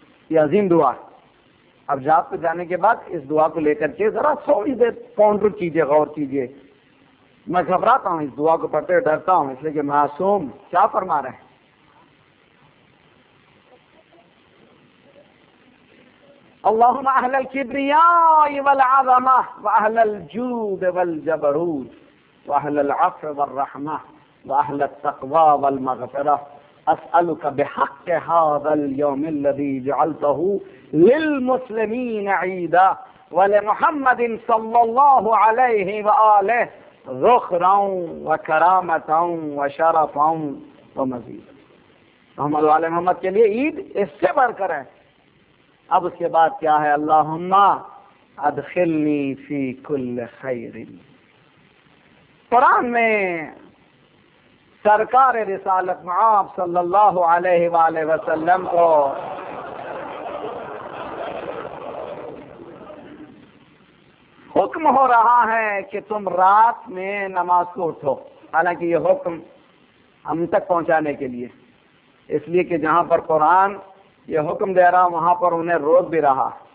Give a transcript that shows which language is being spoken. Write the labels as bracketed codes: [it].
[ur] یہ عظیم دعا. اب جاپ پہ جانے کے بعد اس دعا کو لے کر کے ذرا تھوڑی دیر پونڈر کیجئے، غور کیجئے. میں گھبراتا ہوں اس دعا کو پڑھتے، ڈرتا ہوں، اس لیے کہ معصوم کیا فرما رہے ہیں. [ar] اللہم اہل الکبریاء والعظمہ واہل الجود والجبروت واہل العفو والرحمہ واہل التقوی والمغفرہ اسألك بحق هذا اليوم الذي جعلته للمسلمين عيدا ولمحمد صلى الله عليه وآله ذخرا وكرامة وشرفا ومزيدا. [ur] محمد وعلى محمد کے لئے عید اس سے بڑھ کر ہے. اب اس کے بعد کیا ہے؟ [ar] اللهم ادخلني في كل خير. [ur] قرآن میں سرکار رسالت معاب صلی اللہ علیہ وآلہ وسلم کو حکم ہو رہا ہے کہ تم رات میں نماز کو اٹھو، حالانکہ یہ حکم ہم تک پہنچانے کے لیے، اس لیے کہ جہاں پر قرآن یہ حکم دے رہا وہاں پر انہیں روک بھی رہا.